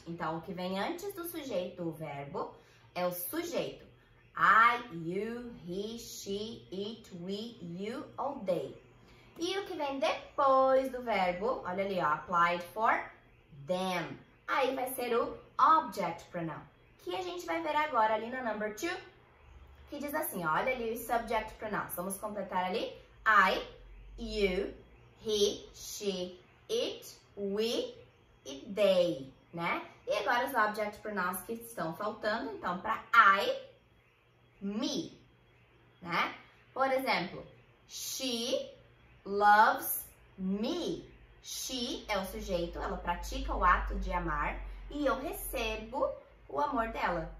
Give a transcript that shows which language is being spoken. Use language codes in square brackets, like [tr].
[pt] Então, o que vem antes do sujeito, o verbo, é o sujeito. [en] I, you, he, she, it, we, you, or they. [pt] E o que vem depois do verbo, olha ali, ó, [en] applied for them. [pt] Aí vai ser o object pronoun, que a gente vai ver agora ali no number 2, que diz assim, ó, olha ali o subject pronoun. Vamos completar ali. [en] I, you, he, she, it, we, e they, né? [pt] E agora os object pronouns que estão faltando, então, para I... [en] Me, [pt] né? Por exemplo, [en] she loves me. [pt] She é o sujeito, ela pratica o ato de amar e eu recebo o amor dela.